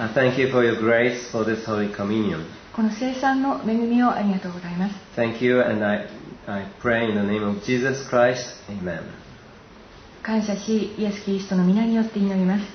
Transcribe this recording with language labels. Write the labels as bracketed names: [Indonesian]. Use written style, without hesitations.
[English] I thank you for your grace for this holy communion. [Japanese] この聖餐の恵みをありがとうございます。 [English] Thank you, and I pray in the name of Jesus Christ. Amen. [Japanese] 感謝し、イエス・キリストの御名によって祈ります。